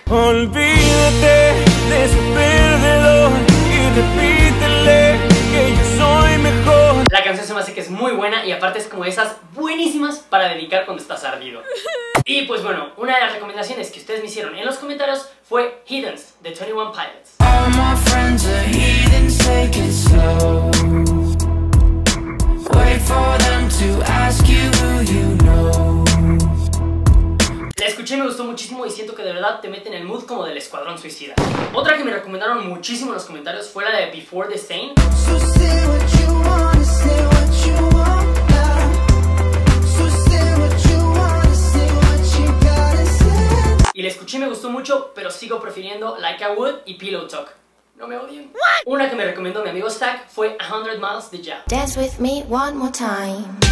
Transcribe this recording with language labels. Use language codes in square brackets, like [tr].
[es] Olvídate de ese perdedor y repítele que yo soy mejor. La canción se me hace que es muy buena y aparte es como esas buenísimas para dedicar cuando estás ardido. Y pues bueno, una de las recomendaciones que ustedes me hicieron en los comentarios fue Heathens de 21 Pilots. [en] All my friends are heathens, take it slow. Wait for them to ask you who you know. [es] La escuché y me gustó muchísimo y siento que de verdad te mete en el mood como del Escuadrón Suicida. Otra que me recomendaron muchísimo en los comentarios fue la de Before the Stain. Y la escuché y me gustó mucho, pero sigo prefiriendo Like I Would y Pillow Talk. No me odien. [en] What? [es] Una que me recomendó mi amigo Zach fue 100 Miles de Jam. [en] Dance with me one more time.